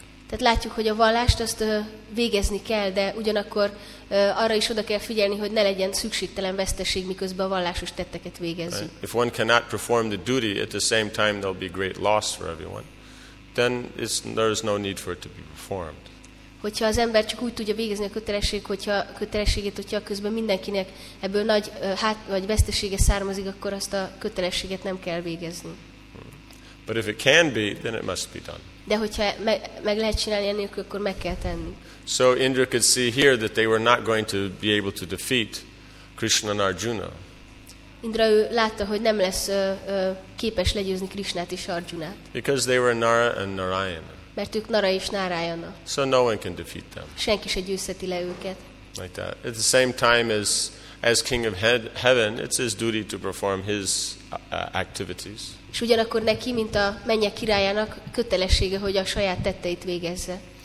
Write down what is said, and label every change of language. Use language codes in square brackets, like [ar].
[hu] Tehát látjuk, hogy a vallást azt végezni kell, de ugyanakkor arra is oda kell figyelni, hogy ne legyen szükségtelen veszteség, miközben a vallásos tetteket végezzük. [en] If one cannot perform the duty at the same time there'll be great loss for everyone, then there's no need for it to be performed. [hu] Hogyha az ember csak úgy tudja végezni a kötelességét, hogyha közben mindenkinek ebből nagy vagy vesztesége származik, akkor azt a kötelességet nem kell végezni. [en] But if it can be, then it must be done. [hu] De hogyha meg lehet csinálni ennélkül, akkor meg kell tenni. [en] So Indra could see here that they were not going to be able to defeat Krishna and Arjuna. [hu] Indra látta, hogy nem lesz képes legyőzni Krishnát és Arjunát. [en] Because they were Nara and Narayana. [hu] Mert ők Nara és Narayana. [en] So no one can defeat them. [hu] Senki se győzheti le őket. [en] Like that. At the same time as King of Heaven, it's his duty to perform his activities. [hu] És ugyanakkor neki, mint a mennyek királyának kötelessége, hogy a saját tetteit végezze.